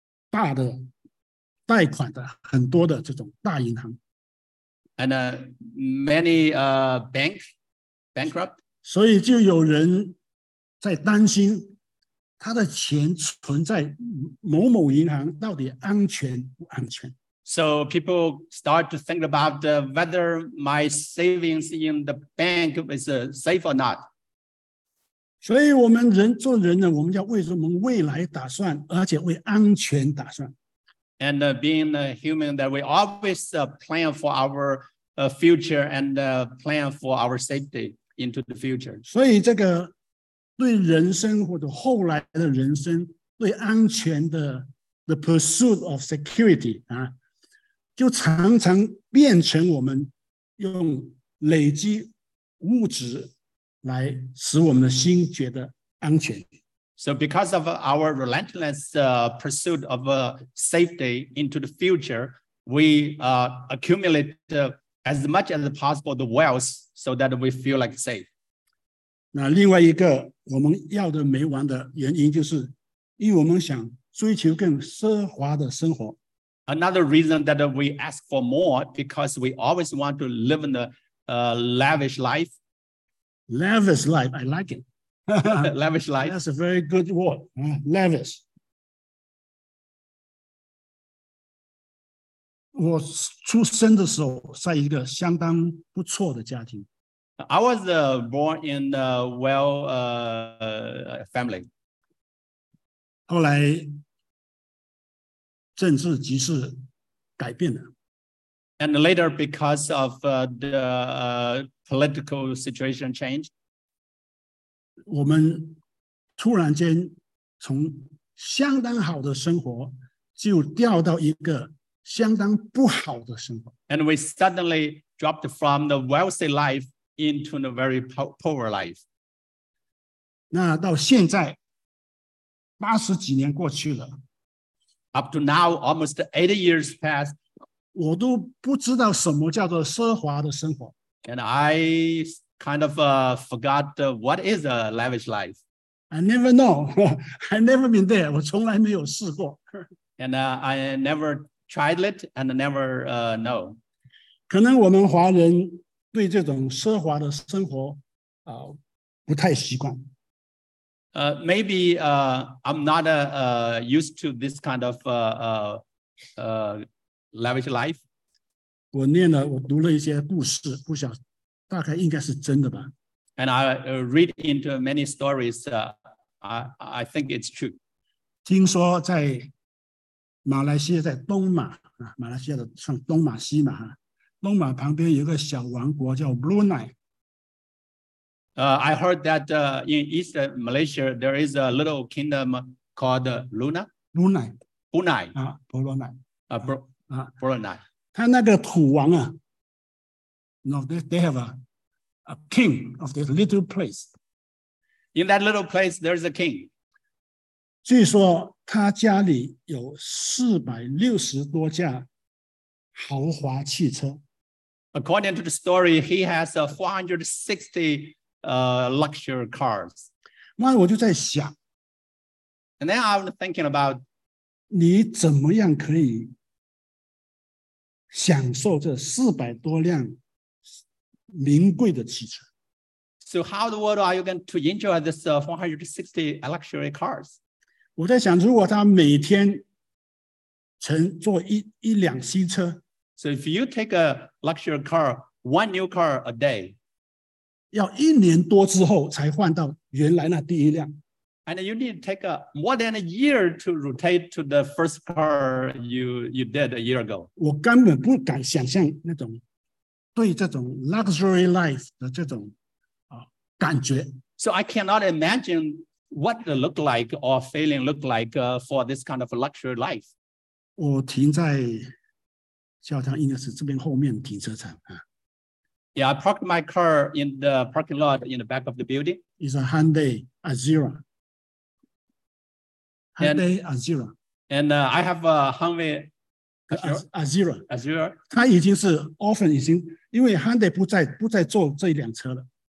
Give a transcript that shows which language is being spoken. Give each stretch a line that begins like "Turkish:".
Chinese: 大的贷款的很多的这种大银行
English: and many bank bankrupt.
Chinese: 所以就有人在担心他的钱存在某某银行到底安全不安全。
English: So people start to think about whether my savings in the bank is safe or not.
Chinese: 所以我们人做人呢，我们要为我们未来打算，而且为安全打算。
English: And being a human, that we always plan for our future and plan for our safety into the future.
Chinese: 所以这个对人生或者后来的人生，对安全的
English: the pursuit of security
Chinese: 啊。就常常变成我们用累积物质来使我们的心觉得安全。
English: So because of our relentless pursuit of safety into the future, we accumulate as much as possible the wealth so that we feel like safe.
Chinese: 那另外一个我们要的没完的原因，就是因为我们想追求更奢华的生活。
English: Another reason that we ask for more because we always want to live in a lavish life. Lavish life, I like it. Lavish life. That's a very good word. Lavish.
Chinese: 我出生的时候在一个相当不错的家庭。
English: I was born in a well family.
Chinese: 后来政治局势改变了。
English: And later, because of the political situation change,
Chinese: 我们突然间从相当好的生活就掉到一个相当不好的生活。
English: And we suddenly dropped from the wealthy life into the very poor life.
Chinese: 那到现在八十几年过去了。
English: Up to now, almost 8 years passed.
Chinese: 我都不知道什么叫做奢华的生活。
English: And I kind of forgot what is a lavish life. I never know. I never been there.
Chinese: 我从来没有试过。
English: And I never tried it and never know.
Chinese: 可能我们华人对这种奢华的生活不太习惯。
English: Maybe I'm not used to this kind of lavish life.
Chinese: 我念了，我读了一些故事，不晓大概应该是真的吧。
English: And I read into many stories. I think it's true.
Chinese: 听说在马来西亚，在东马啊，马来西亚的像东马西马，东马旁边有个小王国叫 Brunei。
English: I heard that in East Malaysia, there is a little kingdom called Luna. Brunei. Brunei. Brunei. Brunei.
Chinese: 他那个土王啊,
English: no, they have a king of this little place. In that little place, there is a king.
Chinese: 据说他家里有460多架豪华汽车。
English: According to the story, he has 460luxury cars.
Chinese: 那我就在想，
English: And then I was thinking about,
Chinese: 你怎么样可以享受这四百多辆名贵的汽车？
English: So how the world are you going to enjoy this 460 luxury cars?
Chinese: 我在想，如果他每天乘坐一辆新车，
English: So if you take a luxury car, one new car a day,
Chinese: 要一年多之后才换到原来那第一辆。
English: And you need to take more than a year to rotate to the first car you did a year ago.
Chinese: 我根本不敢想象那种对这种
English: luxury life
Chinese: 的这种感觉。
English: So I cannot imagine what it looked like or feeling looked like for this kind of luxury life.
Chinese: 我停在教堂应该是这边后面停车场啊。
English: Yeah, I parked my car in the parking lot in the back of the building. It's a Hyundai Azura. Hyundai Azura. And I have a Hyundai Azura. Azura.
Chinese: 它已经是 often 已经，因为 Hyundai 不再做这一辆车了。